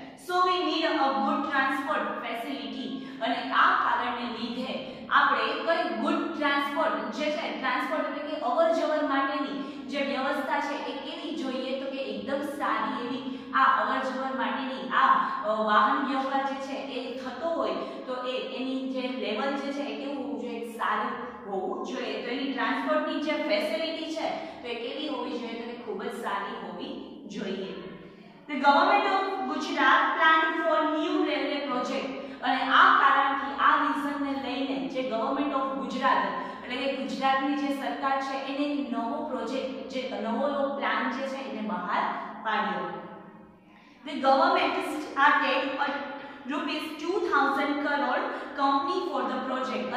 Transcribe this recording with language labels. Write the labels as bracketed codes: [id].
[en] So we need a good transport facility. [gu] અને આ કારણને લીધે આપણે કઈ ગુડ ટ્રાન્સપોર્ટ જે છે ટ્રાન્સપોર્ટ એટલે કે અવર જવર માટેની જે વ્યવસ્થા છે એ કેવી જોઈએ તો કે એકદમ સારી એવી આ અવર જવર માટેની આ વાહન વ્યવહાર જે છે એ થતો હોય તો એ એની જે લેવલ જે છે એ કેવું હોવું જોઈએ, સારું હોવું જોઈએ। તો એની ટ્રાન્સપોર્ટની જે ફેસિલિટી છે તો એ કેવી હોવી જોઈએ તો કે ખૂબ જ સારી હોવી જોઈએ। [en] The government of Gujarat planned for new railway project. [gu] અને આ કારણથી આ રીઝનને લઈને જે ગવર્મેન્ટ ઓફ ગુજરાત એટલે કે ગુજરાતની જે સરકાર છે એને નવો પ્રોજેક્ટ જે નવો પ્લાન જે છે એને બહાર પાડ્યો। [en] The government started rupees 2,000 crore company for the project.